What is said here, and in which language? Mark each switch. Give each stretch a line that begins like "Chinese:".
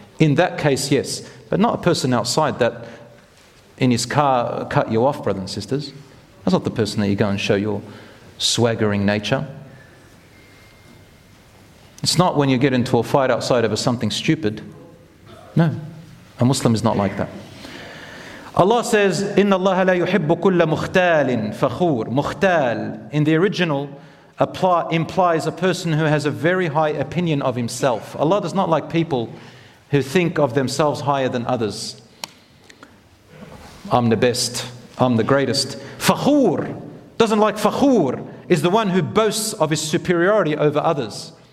English: In that case, yes, but not a person outside that in his car cut you off, brothers and sisters. That's not the person that you go and show your swaggering nature. It's not when you get into a fight outside over something stupid. No, a Muslim is not like that. Allah says,
Arabic: إِنَّ اللَّهَ لَا يُحِبُّ كُلَّ مُخْتَالٍ فَخُورٍ.
English: مُخْتَال, in the original, implies a person who has a very high opinion of himself. Allah does not like people who think of themselves higher than others. I'm the best, I'm the greatest. Fakhur, doesn't like fakhur, is the one who boasts of his superiority over others.